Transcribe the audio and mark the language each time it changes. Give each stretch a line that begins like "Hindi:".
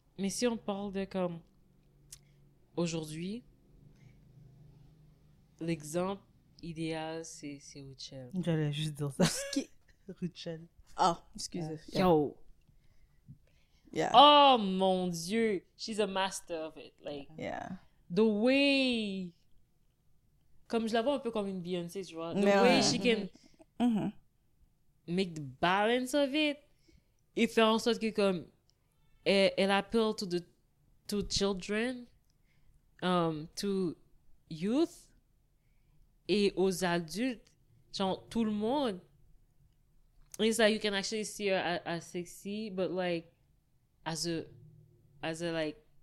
French: Mais si on parle de comme aujourd'hui, l'exemple idéal, c'est Rachel. J'allais juste dire ça. Qui? Rachel. Ah, excusez.
English: Yeah. Yo. Yeah.
French: Oh mon Dieu,
English: she's a master of it. Like, yeah. The way.
French: Comme je la vois un peu comme une Beyoncé, tu vois.
English: The way she can make the balance of it.
French: Et faire en sorte que comme elle appelle
English: to children, to youth
French: et aux adultes, genre tout le monde.
English: It's like you can actually see her as sexy, but like as a like